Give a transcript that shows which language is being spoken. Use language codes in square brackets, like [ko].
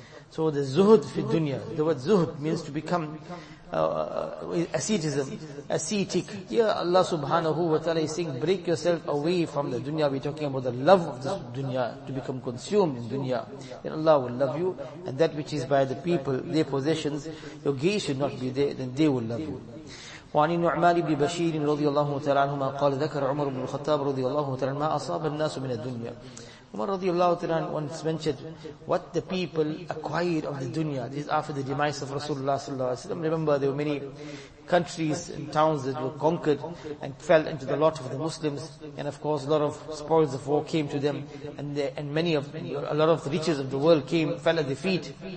[en] So the zuhud fi dunya, the word zuhud means to become ascetism, ascetic. Here Allah subhanahu wa ta'ala is saying, break yourself away from the dunya. We're talking about the love of this dunya, to become consumed in dunya. Then Allah will love you, and that which is by the people, their possessions, your gaze should not be there, then they will love you. [ar] وعن النعمان بن بشير رضي الله تعالى عنهما قال ذكر عمر بن الخطاب رضي الله تعالى ما أصاب الناس من الدنيا. [en] Umar radiallahu ta'ala once mentioned what the people acquired of the dunya. This is after the demise of Rasulullah sallallahu alayhi wa sallam. Remember, there were many countries and towns that were conquered and fell into the lot of the Muslims. And of course, a lot of spoils of war came to them. And a lot of the riches of the world fell at their feet.